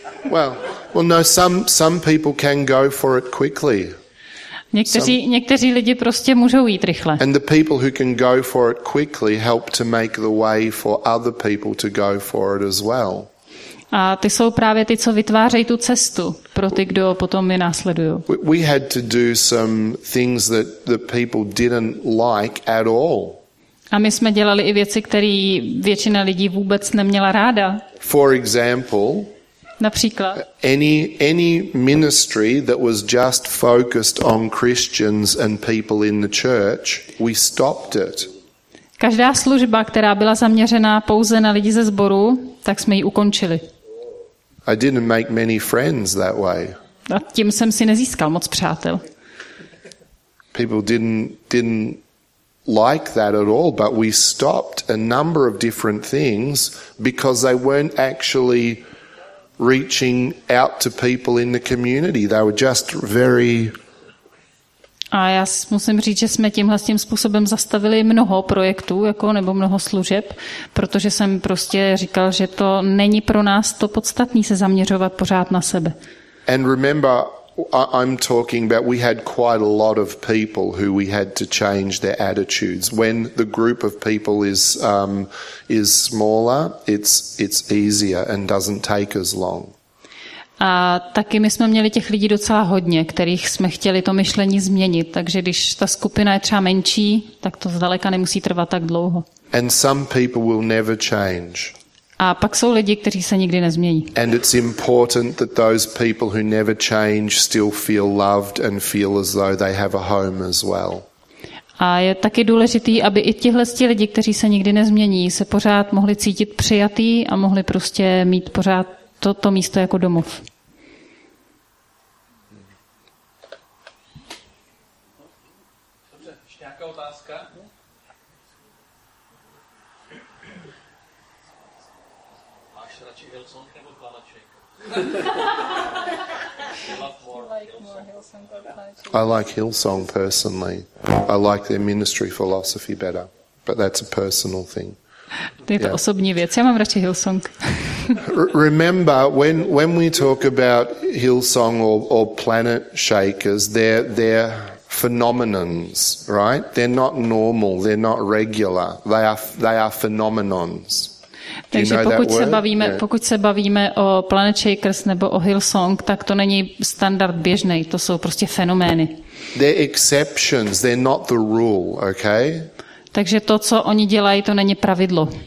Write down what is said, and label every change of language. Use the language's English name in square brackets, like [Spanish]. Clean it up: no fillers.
[English] Well, no, some people can go for it quickly. [Czech] Někteří lidi prostě můžou jít rychle. [English] And the people who can go for it quickly help to make the way for other people to go for it as well. [Czech] A ty jsou právě ty, co vytvářejí tu cestu pro ty, kdo potom je následují. [English] We had to do some things that the people didn't like at all. [Czech] A my jsme dělali i věci, které většina lidí vůbec neměla ráda. [English] For example, [Czech] například [English] any ministry that was just focused on Christians and people in the church, we stopped it. [Czech] Každá služba, která byla zaměřená pouze na lidi ze sboru, tak jsme ji ukončili. [English] I didn't make many friends that way. [Czech] A tím jsem si nezískal moc přátel. [English] People didn't like that at all, but we stopped a number of different things because they weren't actually reaching out to people in the community. They were just very. [Czech] A já musím říct, že jsme tímhle tím způsobem zastavili mnoho projektů, jako nebo mnoho služeb, protože jsem prostě říkal, že to není pro nás to podstatné se zaměřovat pořád na sebe. [English] And remember, I'm talking about we had quite a lot of people who we had to change their attitudes. When the group of people is smaller, it's easier and doesn't take as long. [Czech] A taky my jsme měli těch lidí docela hodně, kterých jsme chtěli to myšlení změnit, takže když ta skupina je třeba menší, tak to zdaleka nemusí trvat tak dlouho. [English] And some people will never change. [Czech] A pak jsou lidi, kteří se nikdy nezmění. [English] And it's important that those people who never change still feel loved and feel as though they have a home as well. [Czech] A je taky důležitý, aby i tihle lidi, kteří se nikdy nezmění, se pořád mohli cítit přijatý a mohli prostě mít pořád to místo jako domov. [English] I like Hillsong personally. I like their ministry philosophy better, but that's a personal thing. [Czech] To je to osobní věc. Já mám radši Hillsong. [English] Remember when we talk about Hillsong or Planet Shakers, they're phenomenons, right? They're not normal. They're not regular. They are phenomenons. [Czech] Takže pokud se bavíme o Planet Shakers nebo o Hillsong, tak to není standard běžný, to jsou prostě fenomény. [English] They're exceptions, they're not the rule, okay? [Czech] Takže to, co oni dělají, to není pravidlo.